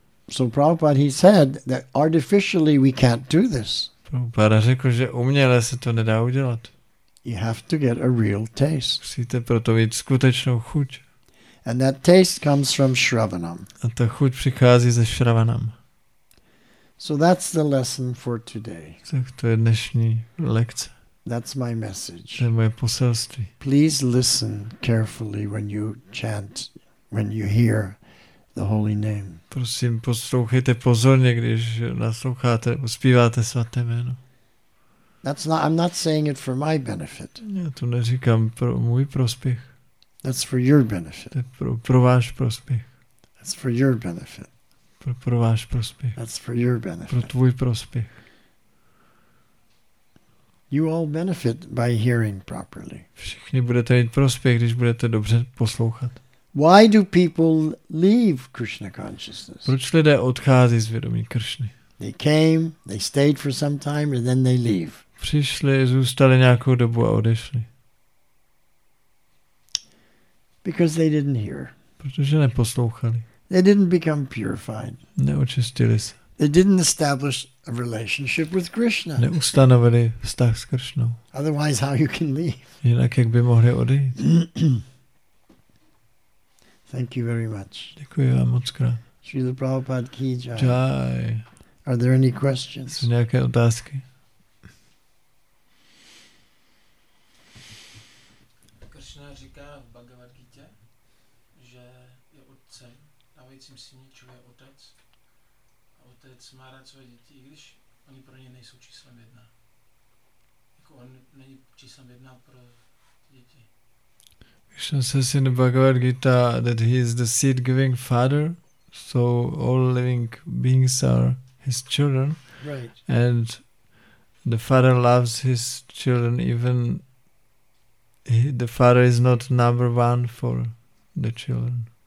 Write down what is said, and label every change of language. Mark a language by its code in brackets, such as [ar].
[en] So Prabhupada, he said that artificially we can't do this. [cs] Prabhupada řekl, že uměle se to nedá udělat. [en] You have to get a real taste. [cs] Musíte proto mít skutečnou chuť. [en] And that taste comes from shravanam. [cs] A ta chuť přichází ze shravanam. [en] So that's the lesson for today. [cs] Tak to je dnešní lekce. [en] That's my message. [cs] To je moje poselství. [en] Please listen carefully when you chant, when you hear the holy name. [cs] Prosím, poslouchejte pozorně, když nasloucháte, zpíváte svaté jméno. [en] That's not, I'm not saying it for my benefit. [cs] Já to neříkám pro můj prospěch. [en] That's for your benefit. [cs] To je pro váš prospěch. [en] That's for your benefit. [cs] Pro váš prospěch. [en] That's for your benefit. [cs] Pro tvůj prospěch. [en] You all benefit by hearing properly. [cs] Všichni budete mít prospěch, když budete dobře poslouchat. [en] Why do people leave Krishna consciousness? [cs] Proč lidé odchází z vědomí Kršny? [en] They came, they stayed for some time, and then they leave. [cs] Přišli, zůstali nějakou dobu a odešli. [en] Because they didn't hear. [cs] Protože neposlouchali. [en] They didn't become purified. [cs] Neočistili se. [en] They didn't establish a relationship with Krishna. [cs] Neustanovili vztah s Kršnou. [en] Otherwise, how you can leave? [cs] Jinak jak by mohli odejít? [en] Thank you very much. [cs] Děkuji vám moc krát. [hi] Srila Prabhupada ki jai. Jai. [en] Are there any questions? [cs] Jsou nějaké otázky? Krishna říká v Bhagavad Gita, že je otce, a vejcím syni, čuje otec. A otec má rád své děti, i když oni pro ně nejsou číslem jedna. Jako on není číslem jedna pro děti. [en] Krishna says in the Bhagavad Gita that he is the seed-giving father, so all living beings are his children. Right. And the father loves his children, even the father is not number one for the children.